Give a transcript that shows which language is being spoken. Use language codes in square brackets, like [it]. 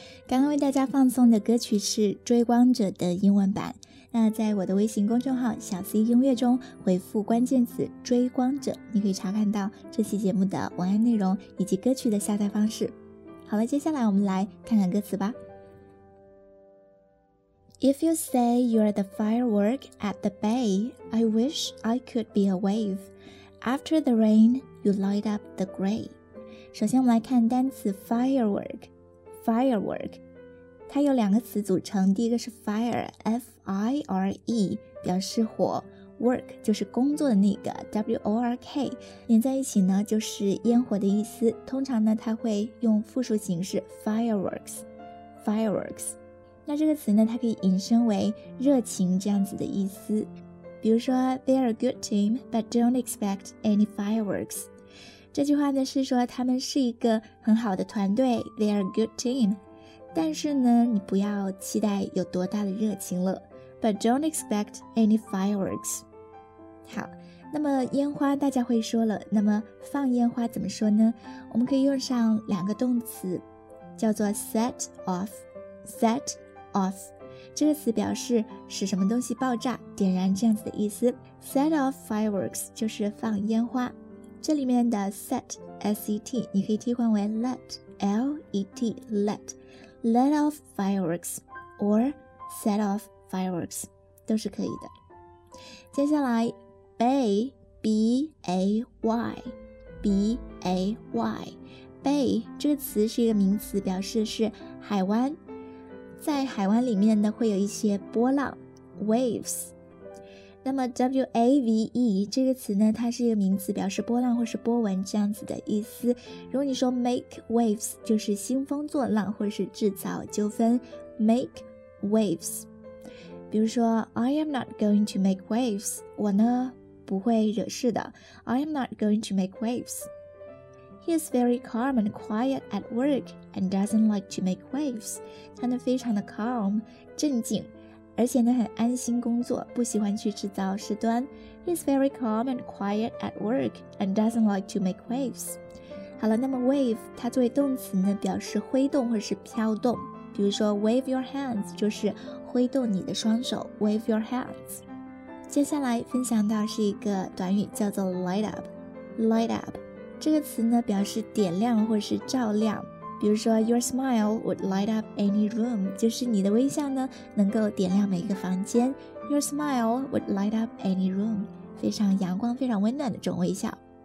[zh] 刚刚为大家放送的歌曲是《追光者》的英文版，那在我的微信公众号小 C 音乐中回复关键词《追光者》，你可以查看到这期节目的文案内容以及歌曲的下载方式。好了，接下来我们来看看歌词吧。 [en] If you say you're the firework at the bay, I wish I could be a wave. After the rain, you light up the gray. [zh] 首先我们来看单词 firework。firework， 它有两个词组成，第一个是 fire， F-I-R-E， 表示火。 Work 就是工作的那个 W-O-R-K 连在一起呢就是烟火的意思，通常呢它会用复数形式 fireworks， fireworks。那这个词呢它可以引申为热情这样子的意思，比如说 [en] They're a good team but don't expect any fireworks， [zh] 这句话呢是说他们是一个很好的团队， [en] They're a good team， [zh] 但是呢你不要期待有多大的热情了， [en] But don't expect any fireworks. [zh] 好，那么烟花大家会说了，那么放烟花怎么说呢？我们可以用上两个动词，叫做 set off. Set off 这个词表示使什么东西爆炸、点燃这样子的意思。 [en] Set off fireworks [zh] 就是放烟花。 这里面的 set S-E-T 你可以替换为 let L-E-T let [en] let off fireworks or set offFireworks [zh] 都是可以的。接下来 Bay B-A-Y B-A-Y Bay 这个词是一个名词，表示是海湾，在海湾里面呢会有一些波浪 Waves。那么 W-A-V-E 这个词呢它是一个名词，表示波浪或是波纹这样子的意思。如果你说 make waves 就是兴风作浪或是制造纠纷， make waves。 [en] 比如说 I am not going to make waves， [zh] 我呢不会惹事的， [en] I am not going to make waves。 He is very calm and quiet at work and doesn't like to make waves， [zh] 他呢非常的 calm 镇静，而且呢很安心工作，不喜欢去制造事端。 [en] He is very calm and quiet at work and doesn't like to make waves。 [zh] 好了，那么 wave 它作为动词呢表示挥动或是飘动，比如说 [en] wave your hands [zh] 就是挥动你的双手， wave your hands。接下来分享到是一个短语叫做 light up， light up 这个词呢表示点亮或是照亮，比如说 [en] your smile would light up any room， [zh] 就是你的微笑呢能够点亮每一个房间， your smile would light up any room， 非常阳光非常温暖的这种微笑。